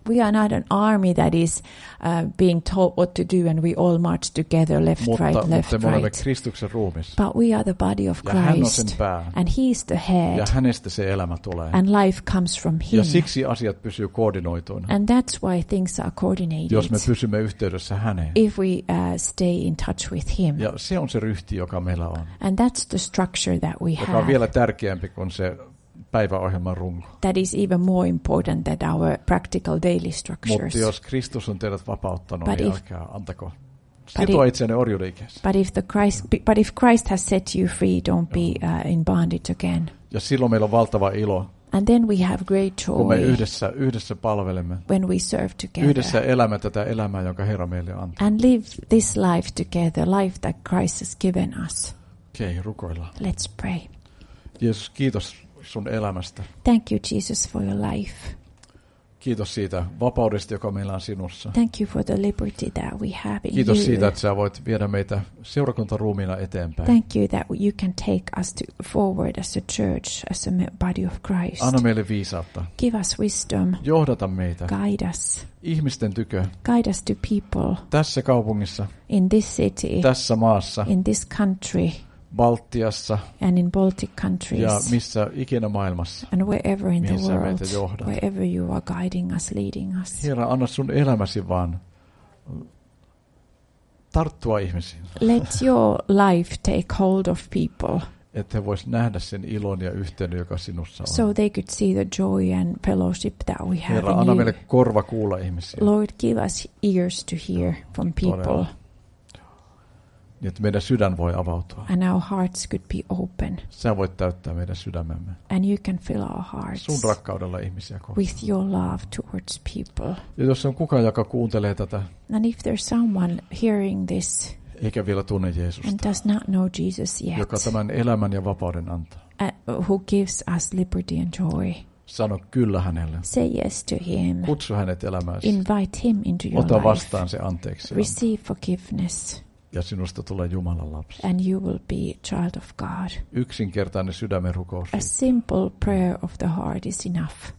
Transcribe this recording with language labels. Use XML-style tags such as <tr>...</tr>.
<en>We are not an army that is being told what to do and we all march together left, right.</en> <fi>Mutta me olemme Kristuksen ruumissa.</fi> <en>But we are the body of Christ.</en> <fi>Ja hän on sen pää.</fi> <en>And he is the head.</en> <fi>Ja hänestä se elämä tulee.</fi> <en>And life comes from him.</en> <fi>Ja siksi asiat pysyy koordinoituina.</fi> <en>And that's why things are coordinated.</en> <fi>Jos me pysymme yhteydessä häneen.</fi> <en>If we stay in touch with him.</en> <fi>Ja se on se ryhti, joka meillä on.</fi> <en>And that's the structure that we</en> <fi>joka on vielä tärkeämpi kuin se päiväohjelman runko.</fi> <en>That is even more important than our practical daily structures.</en> <fi>Mutta jos Kristus on teidät vapauttanut, niin älkää antako Sitoa itseäni orjuudeikeissä.</fi> <en>But if Christ has set you free, don't be in bondage again.</en> <fi>Ja silloin meillä on valtava ilo.</fi> <en>And then we have great joy.</en> <fi>Kun me yhdessä palvelemme.</fi> <en>When we serve together.</en> <fi>Yhdessä elämme tätä elämää, jonka Herra meille antaa.</fi> <en>And live this life together, life that Christ has given us.</en> <fi>Okei, rukoillaan.</fi> <en>Let's pray.</en> <fi>Jeesus, kiitos sun elämästä.</fi> <en>Thank you, Jesus, for your life.</en> <fi>Kiitos siitä vapaudesta, joka meillä on sinussa.</fi> <en>Thank you for the liberty that we have in you.</en> <fi>Kiitos siitä, että sä voit viedä meitä seurakuntaruumiina eteenpäin.</fi> <en>Thank you that you can take us forward as a church, as a body of Christ.</en> <fi>Anna meille viisautta.</fi> <en>Give us wisdom.</en> <fi>Johdata meitä.</fi> <en>Guide us.</en> <fi>Ihmisten tykö.</fi> <en>Guide us to people.</en> <fi>Tässä kaupungissa.</fi> <en>In this city.</en> <fi>Tässä maassa.</fi> <en>In this country.</en> <fi>Baltiassa.</fi> <en>And in Baltic countries.</en> <fi>Ja missä ikinä maailmassa.</fi> <en>And wherever in the world. Wherever you are guiding us, leading us.</en> <fi>Herra, anna sun elämäsi vaan tarttua ihmisiin.</fi> <en>Let your life take hold of people.</en> <fi>Että he vois nähdä sen ilon ja yhteyden, joka sinussa on.</fi> <en>So they could see the joy and fellowship that we have.</en> <fi>Herra, anna meille korva kuulla ihmisiä.</fi> <en>Lord, give us ears to hear from people.</en> <fi>Että meidän sydän voi avautua.</fi> <en>And our hearts could be open.</en> <fi>Sä voit täyttää meidän sydämemme.</fi> <en>And you can fill our hearts.</en> <fi>Sun rakkaudella ihmisiä kohtaan.</fi> <en>With your love towards people.</en> <fi>Ja jos on kukaan, joka kuuntelee tätä.</fi> <en>And if there's someone hearing this.</en> <fi>Eikä vielä tunne Jeesusta.</fi> <en>And does not know Jesus yet.</en> <fi>Joka tämän elämän ja vapauden antaa.</fi> <en>Who gives us liberty and joy.</en> <fi>Sano kyllä hänelle.</fi> <en>Say yes to him.</en> <fi>Kutsu hänet elämääsi.</fi> <en>Invite him into your life.</en> <fi>Ota vastaan</fi> <en>life.</en> <fi>Se anteeksi.</fi> <en>Receive forgiveness.</en> <fi>Ja sinusta tulee Jumalan lapsi.</fi> <en>And you will be child of God.</en> <fi>Yksinkertainen sydämen rukous.</fi> <en>A simple prayer of the heart is enough.</en>